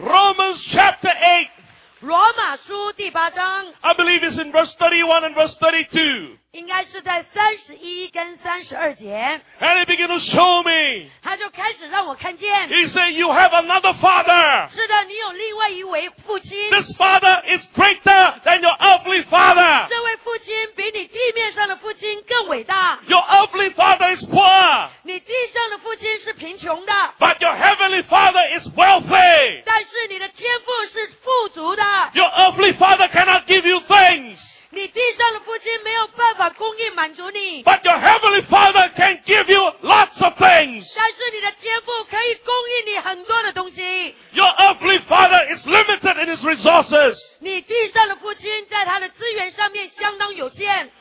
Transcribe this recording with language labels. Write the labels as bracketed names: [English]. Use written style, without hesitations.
[English] Romans chapter 8. [Chinese] 罗马书第八章 [English] I believe it's in verse 31 and verse 32. [Chinese] 应该是在31跟32节 [English] And he began to show me. [Chinese] 他就开始让我看见 [English] He said, you have another father. [Chinese] 是的，你有另外一位父亲 [English] This father is greater than your earthly father. [Chinese] 这位父亲比你地面上的父亲更伟大 [English] Your earthly father is poor. [Chinese] 你地上的父亲是贫穷的 [English] But your heavenly father is wealthy. [Chinese] 但是你的天父是富足的 [English] Your earthly father cannot give you things. [Chinese] 你地上的父亲没有办法供应满足你。 [English] But your heavenly father can give you lots of things. [Chinese] 但是你的天父可以供应你很多的东西。 [English] Your earthly father is limited in his resources. [Chinese] 你地上的父亲在他的资源上面相当有限。